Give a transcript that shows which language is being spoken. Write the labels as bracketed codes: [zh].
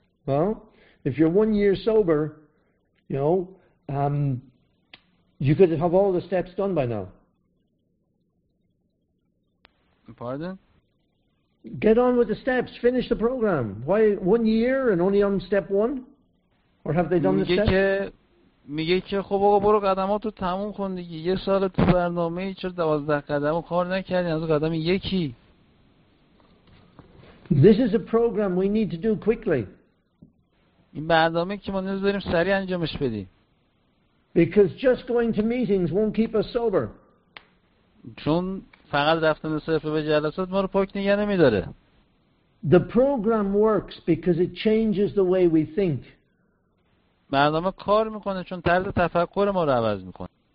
[en] Well, if you're 1 year sober, you know, you could have all the steps done by now. Pardon? Get on with the steps. Finish the program. Why 1 year and only on step 1? Or have they done the steps? [fa] میگه که خب آقا برو قدماتو تموم کن دیگه، یه سال تو برنامه چرا 12 قدم کار نکردی از قدم یکی؟ [en] This is a program we need to do quickly. [fa] این برنامه که ما نیاز داریم سریع انجامش بدی. [en] Because just going to meetings won't keep us sober. [fa] چون فقط رفتن صرف به جلسات ما رو پاک نگه نمی‌داره. [en] The program works because it changes the way we think. [fa] برنامه کار میکنه چون طرز تفکر ما رو عوض میکنه.